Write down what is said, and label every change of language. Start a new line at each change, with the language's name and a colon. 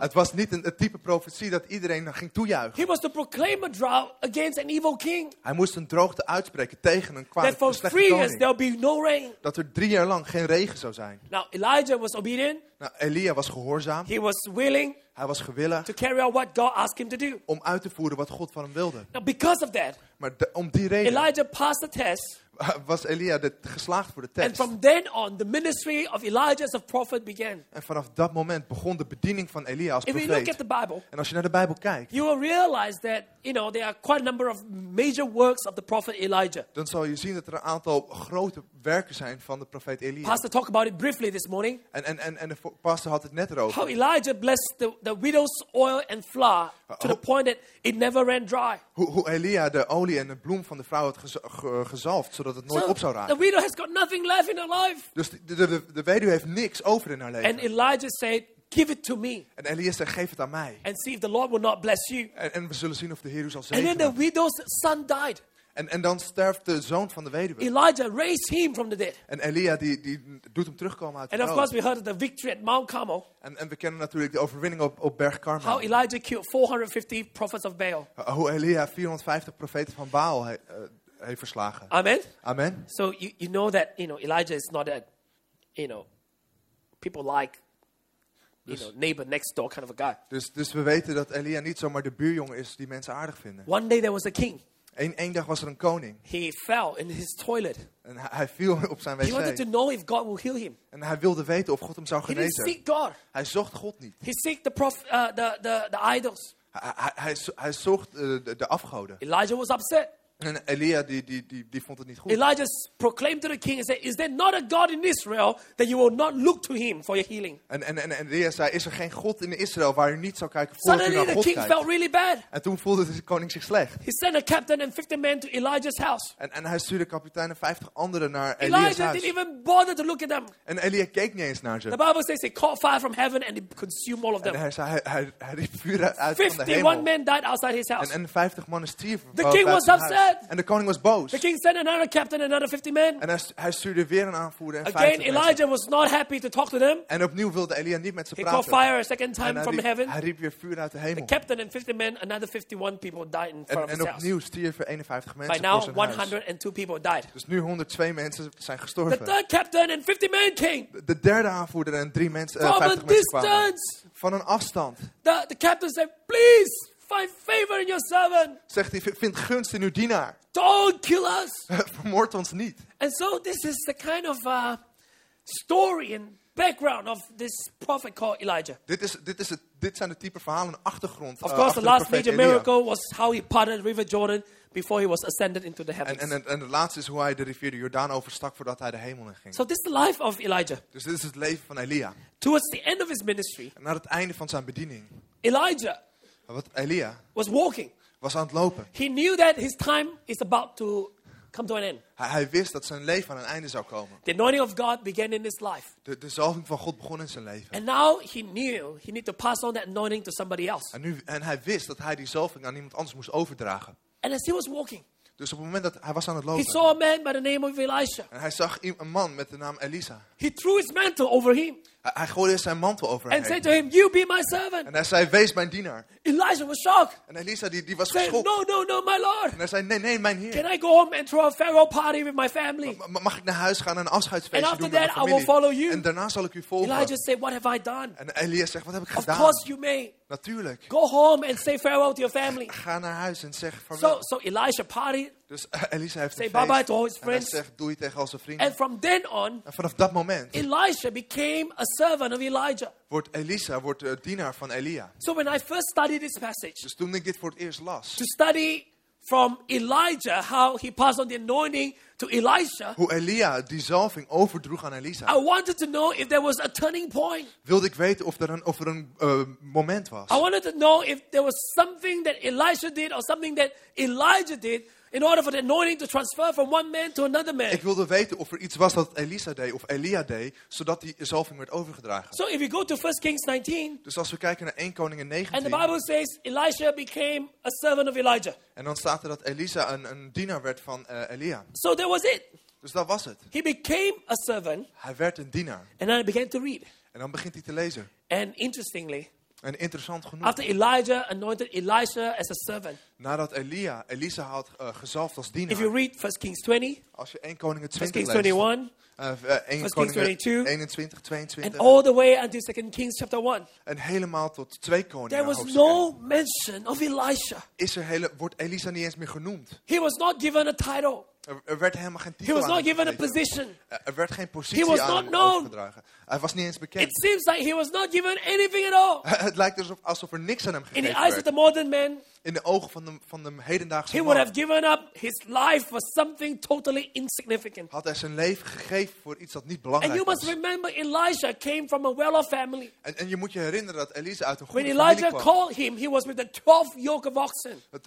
Dutch: Het was niet het type profetie dat iedereen ging toejuichen.
English: He was to proclaim a drought against an evil king.
Dutch: Hij moest een droogte uitspreken tegen een kwaad, slechte koning.
English: That for 3 years there'll be no rain.
Dutch: Dat er 3 jaar lang geen regen zou zijn.
English: Now Elijah was obedient.
Dutch: Nou, Elia was gehoorzaam.
English: He was willing.
Dutch: Hij was gewillig.
English: To carry out what God asked him to do.
Dutch: Om uit te voeren wat God van hem wilde.
English: Now because of that.
Dutch: Maar om die reden.
English: Elijah passed the test.
Dutch: Was Elia geslaagd voor de test.
English: And from then on, the ministry of Elijah as a prophet began.
Dutch: En vanaf dat moment begon de bediening van Elia als profeet.
English: If you look at the Bible,
Dutch: en als je naar de Bijbel kijkt,
English: you will realize that, you know, there are quite a number of major works of the prophet Elijah.
Dutch: Dan zal je zien dat er een aantal grote werken zijn van de profeet Elia.
English: Pastor talked about it briefly this morning.
Dutch: En de pastor had het net erover.
English: How Elijah blessed the widow's oil and flour to the point that it never ran dry.
Dutch: Hoe Elia de olie en de bloem van de vrouw had gezalfd. Zodat het nooit
English: so,
Dutch: op zou raken.
English: The widow has got nothing left in her life.
Dutch: Dus de weduwe heeft niks over in haar leven.
English: And Elijah said, give it to me.
Dutch: En Elia zei, geef het aan mij.
English: And see if the Lord will not bless you.
Dutch: En we zullen zien of de Heer u zal zegenen.
English: And then the widow's son died.
Dutch: En dan sterft de zoon van de weduwe.
English: Elijah raised him from the dead.
Dutch: En Elia die doet hem terugkomen uit de dood.
English: And of course we heard of the victory at Mount Carmel.
Dutch: En we kennen natuurlijk de overwinning op Berg Carmel.
English: How Elijah killed 450 prophets of Baal.
Dutch: Hoe Elia 450 profeten van Baal heeft verslagen.
English: Amen.
Dutch: Amen.
English: So you know that, you know, Elijah is not a, you know, people like, you know, neighbor next door kind of a guy.
Dutch: Dus we weten dat Elia niet zomaar de buurjongen is die mensen aardig vinden.
English: One day there was a king.
Dutch: Eén dag was er een koning.
English: He fell in his toilet.
Dutch: En hij viel op zijn wc.
English: He wanted to know if God will heal him.
Dutch: En hij wilde weten of God hem zou genezen.
English: He didn't seek God.
Dutch: Hij zocht God niet.
English: He seeked the idols.
Dutch: Hij zocht de afgoden.
English: Elijah was upset.
Dutch: En Elia die vond het niet goed.
English: Elijah proclaimed to the king and said, is there not a God in Israel that you will not look to him for your healing?
Dutch: En Elia zei, is er geen God in Israël waar u niet zou kijken voor u naar God kijkt?
English: Suddenly the king felt really bad.
Dutch: En toen voelde de koning zich slecht.
English: He sent a captain and 50 men to Elijah's house.
Dutch: En hij stuurde kapitein en 50 anderen naar Elia's
English: Elijah
Dutch: huis.
English: Didn't even bother to look at them.
Dutch: En Elia keek niet eens naar ze.
English: The Bible says he caught fire from heaven and it consumed all of them.
Dutch: En hij riep vuur uit van de hemel.
English: 51 men died outside his house.
Dutch: En 50 mannen stierven.
English: The king was upset.
Dutch: En de koning was boos.
English: The king sent another captain, another 50 men.
Dutch: En hij stuurde weer een aanvoerder en 50
English: Again,
Dutch: mensen.
English: Elijah was not happy to talk to them.
Dutch: En opnieuw wilde Elia niet met ze
English: he
Dutch: praten.
English: Called fire a second time from heaven.
Dutch: Hij riep weer vuur uit de hemel.
English: The captain and 50 men, another 51 people died in front of
Dutch: En opnieuw stierven 51 mensen
English: By now, 102 people died.
Dutch: Dus nu 102 mensen zijn gestorven.
English: The third captain and 50 men came.
Dutch: De derde aanvoerder en 3 mensen,
English: from
Dutch: 50
English: a
Dutch: mensen
English: distance.
Dutch: Kwamen. Van een afstand.
English: The captain said, please. Find favor in your servant.
Dutch: Zegt hij, vind gunst in uw dienaar.
English: Don't kill us.
Dutch: Vermoord ons niet.
English: And so this is the kind of story and background of this prophet called Elijah.
Dutch: Dit zijn de type verhalen achtergrond.
English: Of course,
Dutch: achter
English: the last major
Dutch: Elia.
English: Miracle was how he parted River Jordan before he was ascended into the heavens.
Dutch: En de laatste is hoe hij de rivier de Jordaan overstak voordat hij de hemel in ging.
English: So this is the life of Elijah.
Dutch: Dus dit is het leven van Elia.
English: Towards the end of his ministry.
Dutch: En naar het einde van zijn bediening.
English: Elijah.
Dutch: Elia
English: was walking.
Dutch: Was aan het lopen.
English: He knew that his time is about to come to an end.
Dutch: Hij wist dat zijn leven aan een einde zou komen.
English: The anointing of God began in his life.
Dutch: De zalving van God begon in zijn leven.
English: And now he knew he needed to pass on that anointing to somebody else.
Dutch: En hij wist dat hij die zalving aan iemand anders moest overdragen.
English: And as he was walking,
Dutch: dus op het moment dat hij was aan het lopen,
English: he saw a man by the name of Elisha.
Dutch: En hij zag een man met de naam Elisa.
English: He threw his mantle over him.
Dutch: Hij gooide zijn mantel over hem.
English: And said to him, "You be my servant."
Dutch: En hij zei, wees mijn dienaar.
English: Elijah was shocked.
Dutch: En Elisa die was geschokt.
English: No, my lord.
Dutch: En hij zei, nee, mijn heer.
English: Can I go home and throw a farewell party with my family?
Dutch: Mag ik naar huis gaan en een afscheidsfeestje doen met mijn familie?
English: And after that, I will follow you.
Dutch: En daarna zal ik u volgen.
English: Elijah said, "What have I done?"
Dutch: En Elias zegt, wat heb ik
English: of
Dutch: gedaan?
English: Of course you may.
Dutch: Natuurlijk.
English: Go home and say farewell to your family.
Dutch: Ga naar huis en zeg farewell.
English: So Elijah partied.
Dutch: Dus Elisa heeft
English: say
Dutch: een feest.
English: Bye bye to all his friends.
Dutch: En hij zegt, doei tegen al zijn vrienden.
English: And from then on,
Dutch: en vanaf dat moment,
English: Elijah became a servant of Elijah.
Dutch: Wordt Elisa de dienaar van Elia.
English: So when I first studied this passage,
Dutch: dus toen ik dit voor het eerst las,
English: to study from Elijah how he passed on the anointing to Elisha,
Dutch: hoe Elia die zalving overdroeg aan Elisa,
English: I wanted to know if there was a turning point. Wilde ik weten of er een moment was. I wanted to know if there was something that Elisha did or something that Elijah did. In order for the anointing to transfer from one man to another man.
Dutch: Ik wilde weten of er iets was dat Elisa deed of Elia deed, zodat die zalving werd overgedragen.
English: So if you go to 1 Kings 19.
Dutch: Dus als we kijken naar 1 Koningen 19.
English: And the Bible says Elisha became a servant of Elijah.
Dutch: En dan staat er dat Elisa een dienaar werd van Elia.
English: So that was it.
Dutch: Dus dat was het.
English: He became a servant.
Dutch: Hij werd een dienaar.
English: And then he began to read.
Dutch: En dan begint hij te lezen.
English: And interestingly.
Dutch: En interessant genoeg.
English: After Elijah anointed Elisha as a servant.
Dutch: Nadat Elisa had gezalfd als dienaar.
English: If you read 1 Kings 20.
Dutch: Als je 1 Koningen 20 leest.
English: 1 Kings 21.
Dutch: 1 Koningen 21, 22.
English: And all the way until 2 Kings chapter 1.
Dutch: En helemaal tot 2 Koningen.
English: There was no mention of Elisha.
Dutch: Wordt Elisa niet eens meer genoemd.
English: He was not given a title.
Dutch: Er werd helemaal geen titel.
English: He was not given a position.
Dutch: Er werd geen positie aan hem overgedragen. Hij was niet eens bekend.
English: It seems like he was not given anything at all.
Dutch: Het lijkt alsof er niks aan hem gegeven werd.
English: In the eyes of the modern man.
Dutch: In de ogen van de hedendaagse man.
English: He would have given up his life for something totally insignificant.
Dutch: Had hij zijn leven gegeven voor iets dat niet belangrijk
English: and you
Dutch: was.
English: Must remember Elijah came from a well-off family.
Dutch: En je moet je herinneren dat Elisa uit een goede
English: when
Dutch: familie
English: Elijah
Dutch: kwam.
English: Called him, he was with the 12 yoke of oxen.